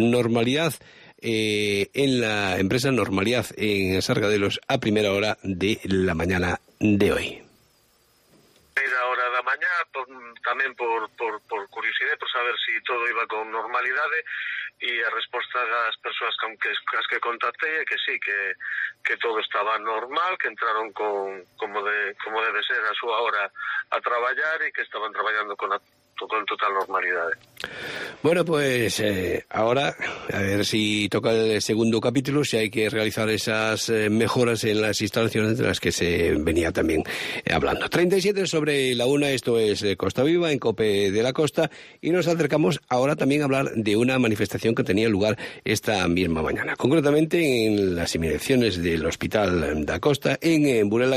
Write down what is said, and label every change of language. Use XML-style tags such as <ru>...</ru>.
<es>Normalidad en la empresa, normalidad en Sargadelos a primera hora de la mañana de hoy. Era hora de la mañana, también por curiosidad, por saber si todo iba con normalidades.</es> <gl>E a resposta das persoas con que as que contactei é que sí, que todo estaba normal, que entraron con como debe ser a súa hora a traballar e que estaban traballando con total normalidade.</gl> <es>Bueno, pues ahora a ver si toca el segundo capítulo, si hay que realizar esas mejoras en las instalaciones de las que se venía también hablando. 37 sobre la una, esto es Costa Viva en COPE de la Costa, y nos acercamos ahora también a hablar de una manifestación que tenía lugar esta misma mañana, concretamente en las inmediaciones del Hospital da Costa, en Burela.</es>